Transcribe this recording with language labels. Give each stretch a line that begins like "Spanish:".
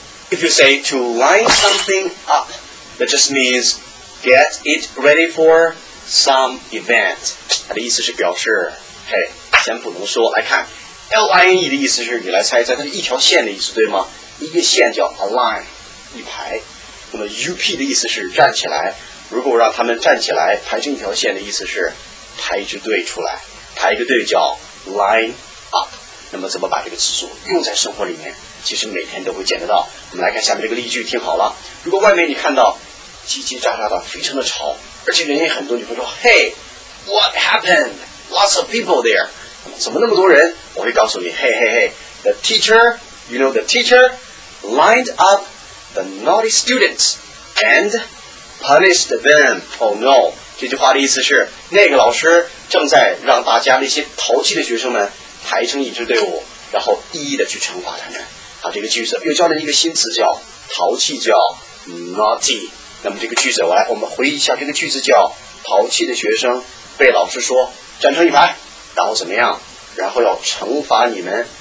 English: If you say to light something up, that just means get it ready for some event。
Chinese: 它的意思是表示，嘿，先不能说。来看 L I N E 的意思是，你来猜一猜，它是一条线的意思，对吗？一个线叫 a line， 一排。那么 U P 的意思是站起来。如果我让他们站起来排成一条线的意思是排一支队出来，排一个队叫 line up。那么怎么把这个词组用在生活里面，其实每天都会见得到。我们来看下面这个例句，听好了。如果外面你看到叽叽喳喳的非常的吵，而且人也很多，你会说
English: Hey what happened lots of people there，
Chinese: 怎么那么多人？我会告诉你
English: Hey hey hey the teacher you know the teacher lined up the naughty students andPunished them. Oh no.
Chinese: 这句话的意思是，那个老师正在让大家那些淘气的学生们排成一支队伍，然后一一的去惩罚他们。好，这个句子又教了一个新词叫淘气，叫 naughty。那么这个句子我们回忆一下，这个句子叫淘气的学生被老师说站成一排，然后怎么样，然后要惩罚你们。